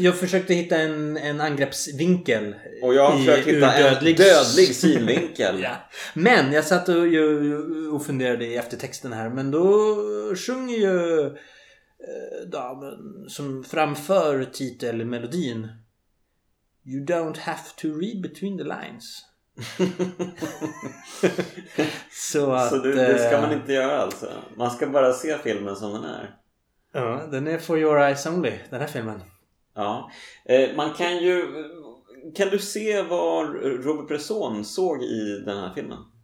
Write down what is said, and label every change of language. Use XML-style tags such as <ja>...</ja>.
<sv>jag försökte hitta en angreppsvinkel. Och jag försökte hitta en dödlig synvinkel. Ja. Men jag satt och funderade i eftertexten här. Men då sjunger ju damen som framför titelmelodin.</sv> <en>You don't have to read between the lines.</en> <sv>Så det ska man inte göra alltså. Man ska bara se filmen som den är. Ja, den är</sv> <en>for your eyes only,</en> <sv>den här filmen. Ja, man kan ju... Kan du se vad Robert Bresson såg i den här filmen?</sv>